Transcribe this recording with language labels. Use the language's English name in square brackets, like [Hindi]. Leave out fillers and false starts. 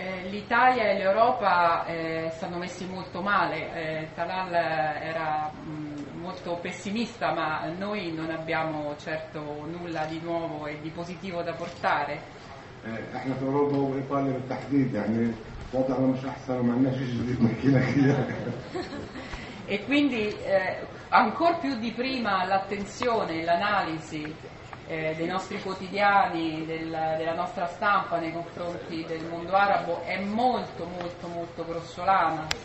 [Italian] L'Italia e l'Europa stanno messi molto male. Talal era molto pessimista, ma noi non abbiamo certo nulla di nuovo e di positivo da portare. [Arabic] احنا في اوروبا وايطاليا بالتحديد يعني وضعنا مش احسن وما عندناش شيء جديد نحكي لك اياه. [Italian] E quindi ancor più di prima l'attenzione, l'analisi dei nostri quotidiani, della nostra stampa nei confronti del mondo arabo è molto molto molto grossolana.